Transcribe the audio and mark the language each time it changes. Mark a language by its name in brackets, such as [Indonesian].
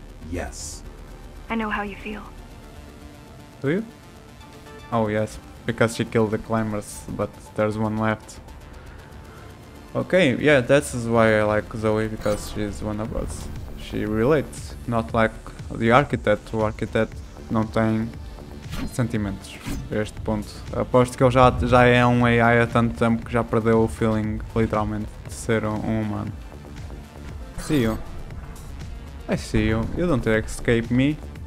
[English] Yes. I know how you feel. Do you? Oh yes, because she killed the climbers, but there's one left. Okay, yeah, that's why I like Zoe, because she's one of us. She relates, not like the architect. [Portuguese] O architect não tem sentimentos a este ponto. Aposto que ele já é um AI há tanto tempo que já perdeu o feeling, literalmente, de ser um humano. [English] See you. I see you. You don't escape me.